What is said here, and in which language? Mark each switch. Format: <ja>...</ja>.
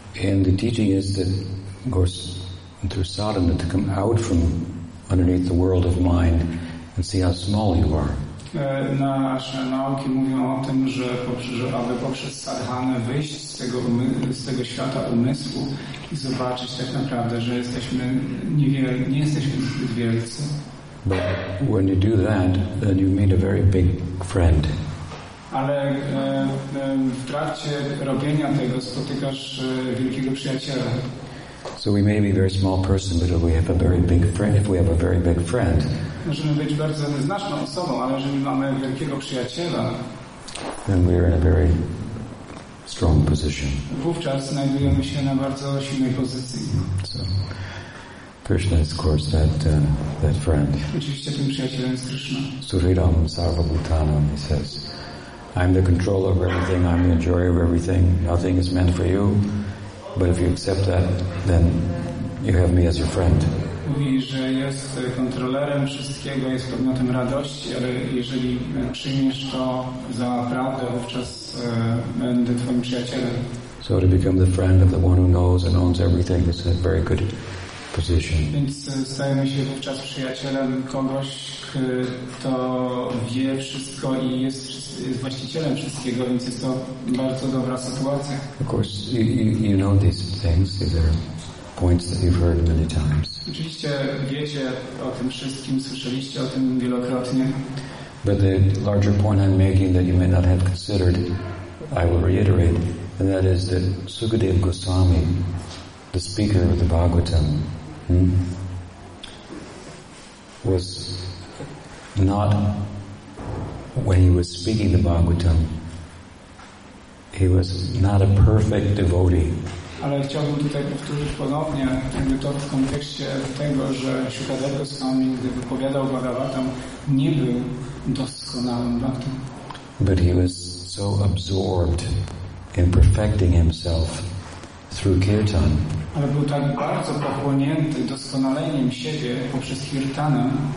<en>And the teaching is that, of course, through sadhana, to come out from underneath the world of mind and see how small you are.</en> <pl>Nasze nauki mówią o tym, że aby poprzez sadhanę wyjść z tego świata umysłu i zobaczyć tak naprawdę, że jesteśmy nie jesteśmy zbyt wielcy.</pl> <en>But when you do that, then you meet a very big friend.</en> <pl>Ale w trakcie robienia tego spotykasz wielkiego przyjaciela.</pl> <en>So we may be a very small person, but if we have a very big friend.</en> <pl>Możemy być bardzo nieznaczną osobą, ale jeżeli mamy wielkiego przyjaciela,</pl> <en>then we are in a very strong position.</en> <pl>Wówczas znajdujemy się na bardzo silnej pozycji.</pl> <en>So. Krishna is, of course, that friend.</en> <pl>Oczywiście tym przyjacielem jest Krishna.</pl> <sa>Suridam sarva bhutanam, he says.</sa> <en>I'm the controller of everything, I'm the enjoyer of everything. Nothing is meant for you. But if you accept that, then you have me as your friend.</en> <pl>Mówi, że jest kontrolerem wszystkiego, jest podmiotem radości, ale jeżeli przyjmiesz to za prawdę, wówczas będę twoim przyjacielem.</pl> <en>So to become the friend of the one who knows and owns everything is a very good position.</en> <pl>Więc stajemy się wówczas przyjacielem kogoś, kto wie wszystko i jest właścicielem wszystkiego, więc jest to bardzo dobra sytuacja.</pl> <en>Of course, you know these things. These are points that you've heard many times.</en> <pl>Oczywiście wiecie o tym wszystkim, słyszeliście o tym wielokrotnie.</pl> <en>But the larger point I'm making that you may not have considered, I will reiterate, and that is that Sukadeva Goswami, the speaker of the Bhagavatam, was not, when he was speaking the Bhagavatam, he was not a perfect devotee.</en> <pl>Ale chciałbym tutaj powtórzyć ponownie, jakby to w kontekście tego, że Sukadeva Goswami, gdy wypowiadał Bhagavatam, nie był doskonałym bhaktą.</pl> <en>But he was so absorbed in perfecting himself through kirtan.</en> <pl>Ale był tak bardzo pochłonięty doskonaleniem siebie poprzez kirtanę,</pl>